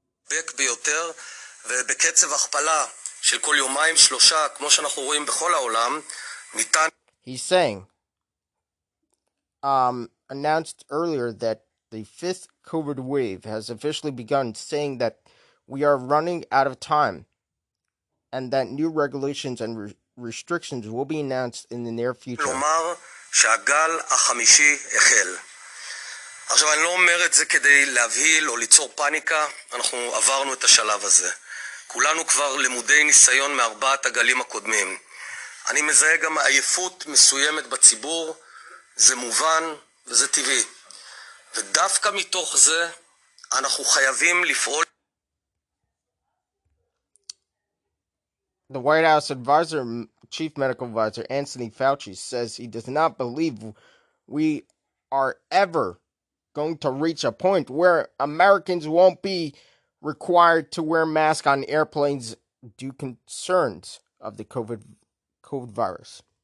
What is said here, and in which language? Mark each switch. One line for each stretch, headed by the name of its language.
Hebrew: בק ביותר ובקצב הכפלה של כל יומיים שלושה כמו שאנחנו רואים בכל העולם ניתן.
English: He's saying announced earlier that the fifth COVID wave has officially begun, saying that we are running out of time and that new regulations and restrictions will be announced in the near future.
Hebrew: לומר שהגל החמישי החל. עכשיו, אני לא אומר את זה כדי להבהיל או ליצור פאניקה. אנחנו עברנו את השלב הזה. כולנו כבר למודי ניסיון מארבעת הגלים הקודמים. אני מזהה גם עייפות מסוימת בציבור. זה מובן וזה טבעי. ודווקא מתוך זה, אנחנו חייבים לפעול.
English: The White House advisor, Chief Medical Advisor Anthony Fauci, says he does not believe we are ever going to reach a point where Americans won't be required to wear masks on airplanes due to concerns of the COVID virus.